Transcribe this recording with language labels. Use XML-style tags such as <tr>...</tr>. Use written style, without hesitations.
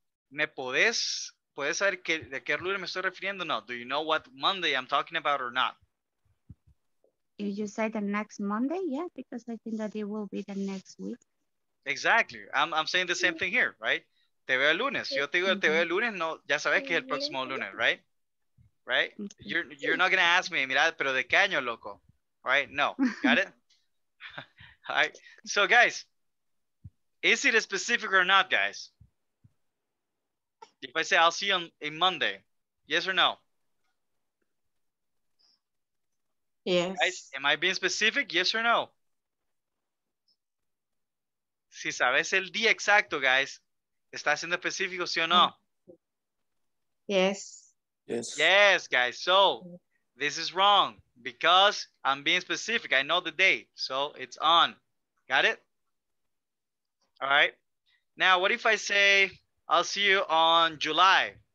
<es>¿Me podés, puedes saber que, de qué lunes me estoy refiriendo? No.</es> <en>Do you know what Monday I'm talking about or not? If you say the next Monday, yeah, because I think that it will be the next week. Exactly. I'm saying the same thing here, right?</en> <es>Te veo el lunes. Yo te digo te veo el lunes, no, ya sabes que es el próximo lunes, right?</es> <en>Right? You're not going to ask me,</en> <es>mira, pero de qué año, loco?</es> <en>Right? No. Got it? All right. So, guys, is it specific or not, guys? If I say I'll see you on Monday, yes or no? Yes. Guys, am I being specific? Yes or no?</en> <es>Si sabes el día exacto, guys, ¿estás siendo específico, sí o no?</es> <en>Yes. Yes. Yes, guys. So, this is wrong because I'm being specific. I know the date, so it's on. Got it? All right. Now, what if I say I'll see you on July?</en>